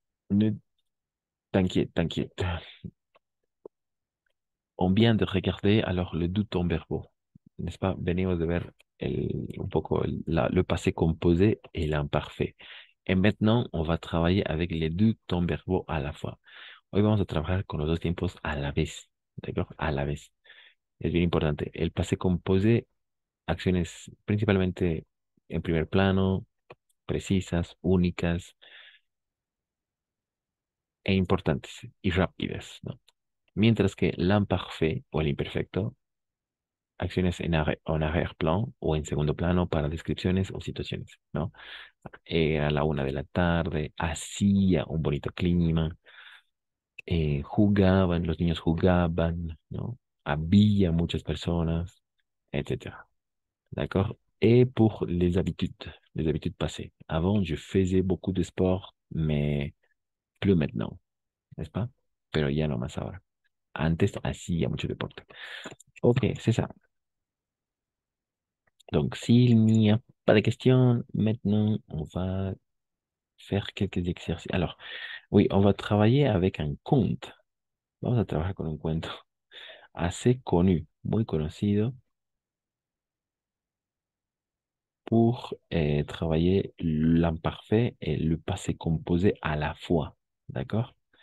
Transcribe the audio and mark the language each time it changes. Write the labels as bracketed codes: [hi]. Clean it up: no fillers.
[fr] Ne t'inquiète, t'inquiète. On vient de regarder alors le doute en verbo, n'est-ce pas? [es] Venimos de ver un poco [fr] le passé composé et l'imparfait. Et maintenant, on va travailler avec les deux temps verbaux à la fois. [es] Hoy vamos a trabajar con los dos tiempos a la vez. D'accord? A la vez. Es bien importante. El passé composé, acciones principalmente en primer plano, precisas, únicas e importantes y rápidas, ¿no? Mientras que l'imparfait o el imperfecto, acciones en arrière-plan o en segundo plano para descripciones o situaciones, ¿no? Era la 1 de la tarde, hacía un bonito clima, jugaban, los niños jugaban, ¿no? Había muchas personas, etc. [fr] ¿D'accord? Et pour les habitudes passées. Avant, je faisais beaucoup de sport, mais plus maintenant, n'est-ce pas? [es] Pero ya no más ahora. Antes, hacía mucho deporte. [fr] Ok, c'est ça. Donc, s'il n'y a pas de questions, maintenant, on va faire quelques exercices. Alors, oui, on va travailler avec un conte. [es] Vamos a trabajar con un cuento [fr] assez connu, [es] muy conocido, [fr] pour travailler l'imparfait et le passé composé à la fois. D'accord?